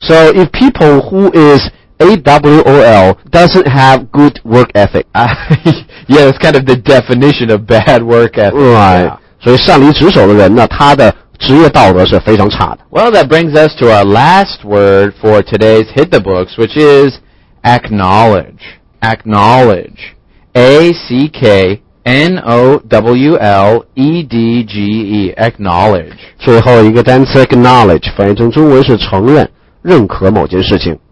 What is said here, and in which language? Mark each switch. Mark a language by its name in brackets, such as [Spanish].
[English] So if people who is A-W-O-L doesn't have good work ethic Yeah, that's kind of the definition of bad work ethic Right、 yeah. [Chinese] 所以擅离职守的人呢他的职业道德是非常差的。 [English] Well, that brings us to our last word for today's Hit the Books, which is acknowledge A-C-K-N-O-W-L-E-D-G-E acknowledge [Chinese] 最后一个单词 acknowledge 翻译成中文是承认认可某件事情。